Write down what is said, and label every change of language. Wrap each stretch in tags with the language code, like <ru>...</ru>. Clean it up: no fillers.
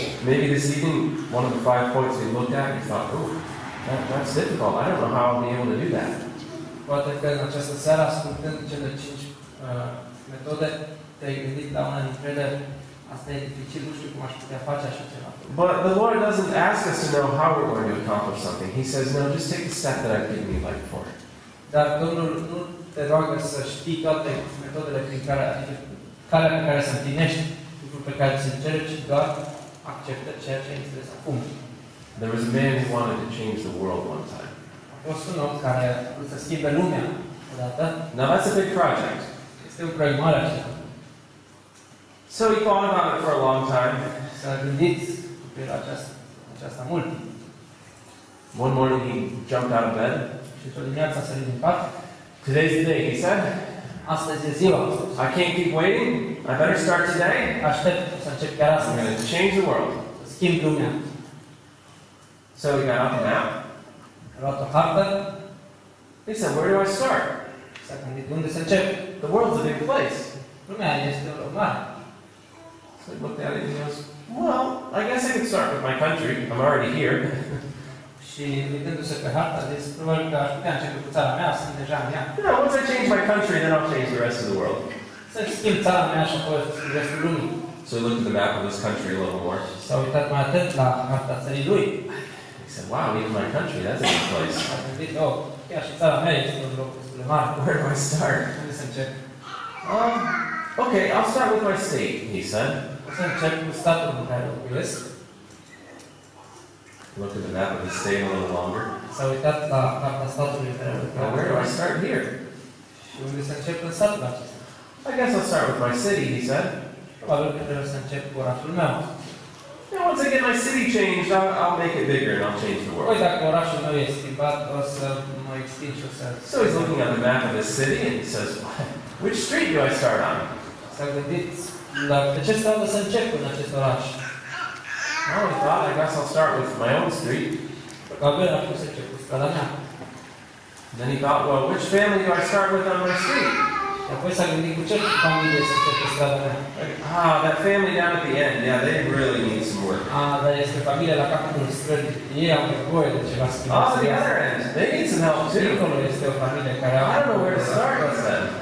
<en>Maybe this evening, one of the 5 points we looked at, you thought, ooh, that's difficult. I don't know how I'll be able to do that.</en> <ro>Poate că în această seară, ascultând cele cinci metode, te-ai gândit la una dintre ele, asta e dificil, nu știu cum aș putea face așa ceva.</ro> <en>But the Lord doesn't ask us to know how we're going to accomplish something. He says, no, just take the step that I've given you life for.</en> <ro>Dar Domnul nu te roagă să știi toate metodele prin care, adică calea pe care să împlinești lucrul pe care ți-l cere, ci doar acceptă ceea ce ai înțeles acum.</ro> <en>There was a man who wanted to change the world one time.</en> <ro>A fost un om care vrea să schimbe lumea odată.</ro> <en>Now that's a big project.</en> <ro>Este un proiect mare așa.</ro> <en>So he thought about it for a long time.</en> <ro>S-a gândit pe aceasta mult.</ro> <en>One morning he jumped out of bed.</en> <ro>Și într-o dimineață a sărit din pat.</ro> <en>Today's the day, he said.</en> <ro>Astăzi e ziua.</ro> <en>I can't keep waiting. I better start today.</en> <ro>Aștept să încep chiar astăzi.</ro> <en>I'm going to change the world.</en> <ro>Să schimb lumea.</ro> <en>So he got up and out.</en> <ro>A luat o hartă.</ro> <en>He said, where do I start?</en> <ro>S-a gândit, unde să încep?</ro> <en>The world's a big place.</en> <ro>Lumea este o loc mare.</ro> <en>So he looked at it and he goes, well, I guess I can start with my country. I'm already here.</en> <ro>Și uitându-se pe hartă, zis, probabil că aș putea începe cu țara mea, sunt deja în ea.</ro> <en>No, once I change my country, then I'll change the rest of the world.</en> <ro>Să schimb țara mea și apoi schimb restul lumii.</ro> <en>So he looked at the map of his country a little more.</en> <ro>S-a uitat mai atent la harta țării lui.</ro> <en>He said, wow, even my country, that's a good place.</en> <ro>A gândit, oh, chiar și țara mea este un loc destul de mare.</ro> <en>Where do I start?</en> <ro>Unde să încep?</ro> <en>Okay, I'll start with my state, he said.</en> <ro>O să încep cu statul în care locuiesc.</ro> <en>Looked at the map of the state a little longer.</en> <ro>S-a uitat la harta statului pe</ro> <en>care. Where do I start here?</en> <ro>Și unde să încep în satul acesta?</ro> <en>I guess I'll start with my city, he said.</en> <ro>Probabil că trebuie să încep cu orașul meu.</ro> <en>Now, once I get my city changed, I'll make it bigger and I'll change the world.</en> <ro>Păi dacă orașul meu e schimbat, o să mă extind și o să...</ro> <en>So he's looking at the map of his city and he says, which street do I start on?</en> <ro>S-a gândit, dar pe ce stradă să încep în acest oraș?</ro> <en>Oh, he thought, I guess I'll start with my own street.</en> <ro>Probabil ar trebui să încep cu strada mea.</ro> <en>Then he thought, well, which family do I start with on my street?</en> <ro>Și apoi s-a gândit, cu ce familie să încep cu strada mea?</ro> <en>Ah, that family down at the end, yeah, they really need some work.</en> <ro>Ah, dar este familia la capătul străzii. Ei au nevoie de ceva schimbat.</ro> <en>Oh, the other end, they need some help too.</en> <ro>Dincolo este o familie care</ro> <en>au... I don't know where to start with them.</en>